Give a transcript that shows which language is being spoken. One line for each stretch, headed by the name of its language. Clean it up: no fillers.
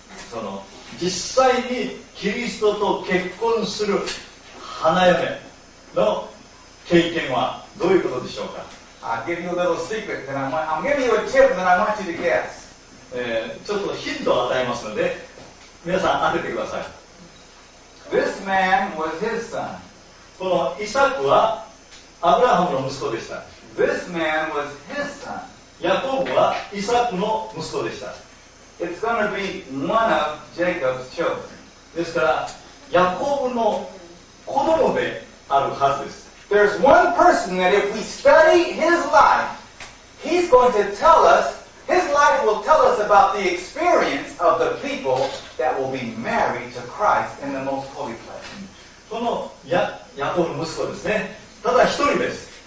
Japanese: その実際にキリストと結婚する花嫁の経験はどういうことでしょうか?
English: I'll give you a little secret, and I'm giving you a tip that I want you to guess.
Japanese: ちょっとヒントを与えますので皆さん当ててください。
English: This man was his son.
Japanese: このイサクはアブラハムの息子でした。
English: This man was his son.
Japanese: ヤコブはイサクの息子でした。
English: It's going to be one of Jacob's children.
Japanese: ですからヤコブの子供であるはずです。
English: There's one person that if we study his life, he's going to tell usHis life will tell us about the experience of the people that will be married to Christ in the most holy place.
Japanese: このヤコブの息子ですね。ただ一人です。